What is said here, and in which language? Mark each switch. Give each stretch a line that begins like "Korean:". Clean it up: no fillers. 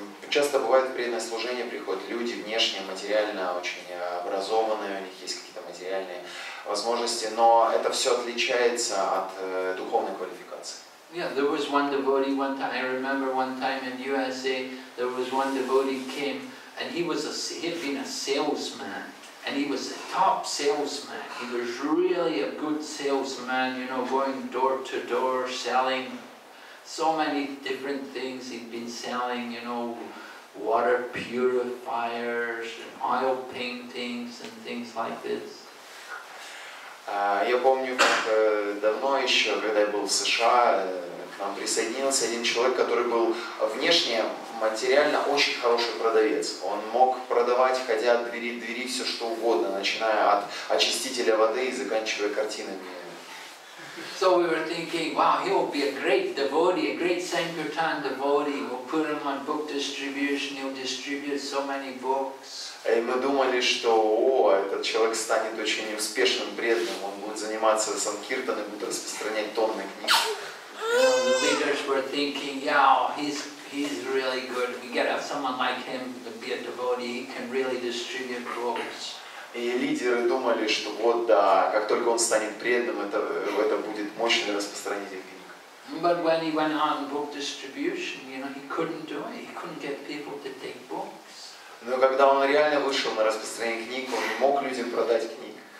Russian: Часто бывает преданное служение приходят люди внешне, материально, очень образованные, у них есть какие-то материальные возможности, но это все отличается от духовной квалификации.
English: Yeah, there was one devotee one time, I remember one time in USA, there was one devotee came, and he had been a salesman, and he was a top salesman, he was really a good salesman, you know, going door to door, selling so many different things, he'd been selling, you know, water purifiers and oil paintings and things like this.
Russian: Я помню, как давно еще, когда я был в США, к нам присоединился один человек, который был внешне, материально очень хороший продавец. Он мог продавать, ходя от двери к двери, все что угодно, начиная от очистителя воды и заканчивая картинами.
English: So we were thinking, wow, he will be a great devotee, a great Sankirtan devotee. We'll put him on book distribution, he'll distribute so many books.
Russian: И мы думали, что этот человек станет очень успешным преданным, он будет заниматься санкиртаной, будет распространять тонны книг.
English: The leaders were thinking, yeah, he's really good. We get someone like him to be a devotee, he can really distribute books.
Russian: И лидеры думали, что как только он станет преданным, это будет мощный распространитель книг.
English: But when he went on book distribution, you know, he couldn't do it. He couldn't get people to take books.
Russian: Но когда он реально вышел на распространение книг, он не мог людям продать книг.